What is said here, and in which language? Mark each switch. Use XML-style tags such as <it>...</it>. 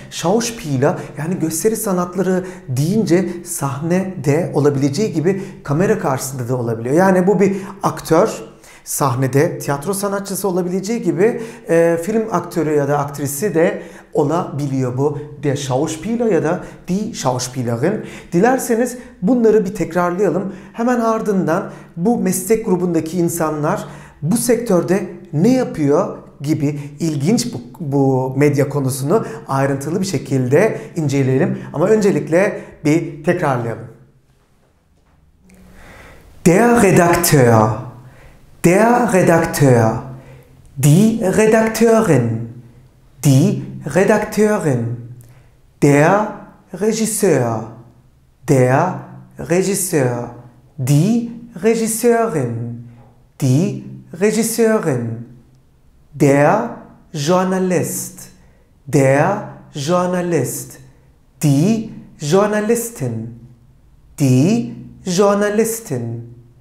<tr>Schauspieler, yani gösteri sanatları deyince sahnede olabileceği gibi kamera karşısında da olabiliyor. Yani bu bir aktör. Sahnede tiyatro sanatçısı olabileceği gibi film aktörü ya da aktrisi de olabiliyor bu.</tr> <de>Der Schauspieler</de> <tr>ya da</tr> <de>die Schauspielerin.</de> <tr>Dilerseniz bunları bir tekrarlayalım. Hemen ardından bu meslek grubundaki insanlar bu sektörde ne yapıyor gibi ilginç bu medya konusunu ayrıntılı bir şekilde inceleyelim. Ama öncelikle bir tekrarlayalım.</tr> <de>Der Redakteur. Der Redakteur, die Redakteurin, die Redakteurin, der Regisseur, der Regisseur, die Regisseurin, die Regisseurin, der Journalist, der Journalist, die Journalistin, die Journalistin.</de>